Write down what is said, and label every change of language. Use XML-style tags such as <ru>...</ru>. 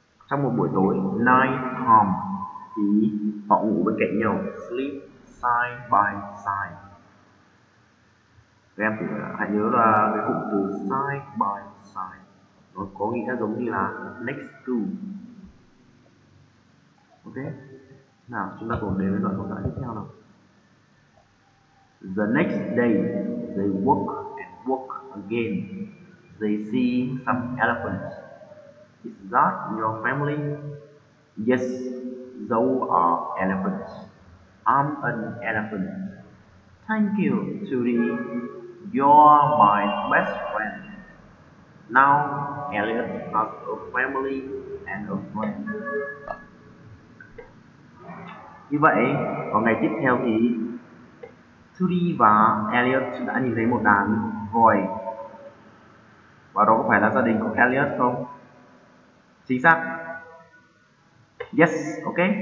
<vi>Trong một buổi tối</vi> <en>night home</en> <vi>thì họ ngủ bên cạnh nhau,</vi> <en>sleep side by side.</en> <vi>Các em thì hãy nhớ là cái cụm từ side by side nó có nghĩa giống như là next to. Ok, nào chúng ta cùng đến với đoạn thoại tiếp theo nào.</vi> <en>The next day they walk and walk again. They see some elephants. Is that your family? Yes, those are elephants. I'm an elephant. Thank you, Judy. You're my best friend. Now, Elliot has a family</en> <vi>ảnh hưởng của em. Như vậy, vào ngày tiếp theo thì Trudy và Elliot đã nhìn thấy một đàn voi. Và đó có phải là gia đình của Elliot không? Chính xác.</vi> <en>Yes, ok.</en>